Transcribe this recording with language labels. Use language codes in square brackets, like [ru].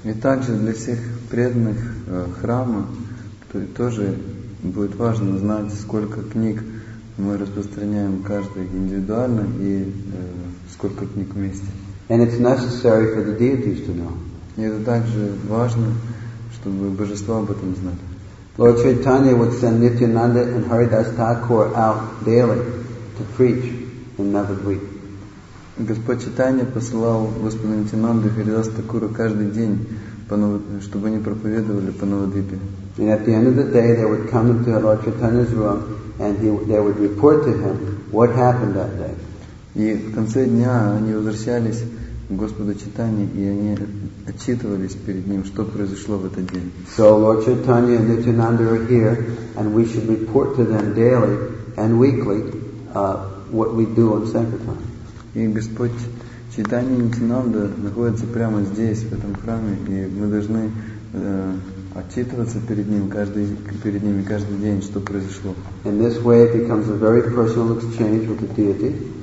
[ru] И также для всех преданных храма тоже будет важно знать, сколько книг мы распространяем каждый индивидуально и сколько книг вместе. [en] And it's necessary for the deities to know. [ru] И это также важно, чтобы божества об этом знали. [en] Lord Chaitanya would send Nityananda and Haridas Thakur out daily to preach in Navadvip. [ru] Господь Чайтанья посылал Господа Нитьянанду и Харидаса Такуру каждый день, чтобы они проповедовали по Навадвипе. [en] And at the end of the day, they would come into Lord Chaitanya's room, and they would report to him what happened that day. [ru] И в конце дня они возвращались к Господу Чайтанье, и они отчитывались перед ним, что произошло в этот день. [en] So Lord Chaitanya and Nityananda are here, and we should report to them daily and weekly what we do on Sankirtan. [ru] И Господь Чайтанья Нитьянанда находится прямо здесь, в этом храме, и мы должны отчитываться перед ними каждый день, что произошло. [en] In this way it becomes a very personal exchange with the deity.